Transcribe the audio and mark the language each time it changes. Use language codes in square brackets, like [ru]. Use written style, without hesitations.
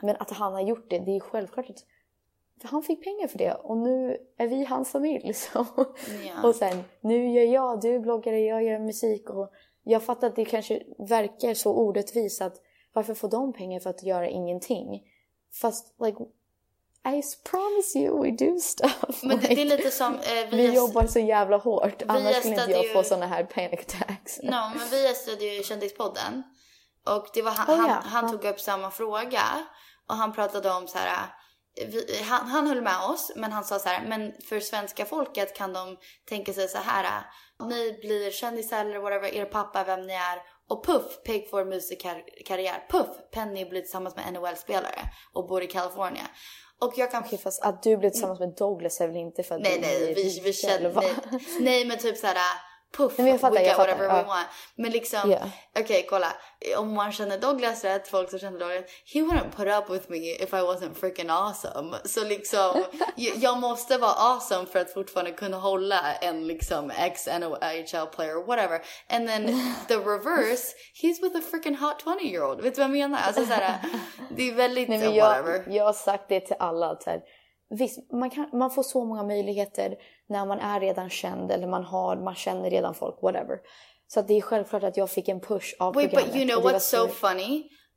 [sv] Men att han har gjort det är självklart att han fick pengar för det. Och nu är vi hans familj. Så. [en] Yeah. [sv] Och sen, nu gör jag, du är bloggare, jag gör musik. Och jag fattar att det kanske verkar så orättvist att varför får de pengar för att göra ingenting? [en] Fast, like, I promise you, we do stuff. [sv] Men [en] like, [sv] det är lite som... vi jobbar så jävla hårt, annars skulle inte jag få såna här panic attacks. No, men vi gästade ju Kändispodden. Och det var han tog upp samma fråga. Och han pratade om så här... Han höll med oss, men han sa så här, men för svenska folket kan de tänka sig så här: ni blir kändisar eller whatever, er pappa, vem ni är... Och puff, Peg får musikkarriär. Puff, Penny blir tillsammans med NHL-spelare och bor i Kalifornien. Och jag kan... Okej, fast att du blir tillsammans med Douglas är väl inte för att Nej, vi känner... Nej, men typ så här, puff, nej, jag fattar. [en] Whatever we want. [sv] Men liksom, okej, kolla. Om man känner Douglas [en] rätt, folk som känner Douglas, he wouldn't put up with me if I wasn't freaking awesome. [sv] Så liksom, jag måste vara awesome för att fortfarande kunna hålla en liksom ex-NHL player, whatever. [en] And then the reverse, he's with a freaking hot 20-year-old. [sv] Vet du vad jag menar? Alltså, såhär, det är väldigt, nej, whatever. Jag har sagt det till alla. Såhär. Visst, man får så många möjligheter när man är redan känd eller man känner redan folk, whatever. Så att det är självklart att jag fick en push av [en] programmet. Wait, but you know what's so funny?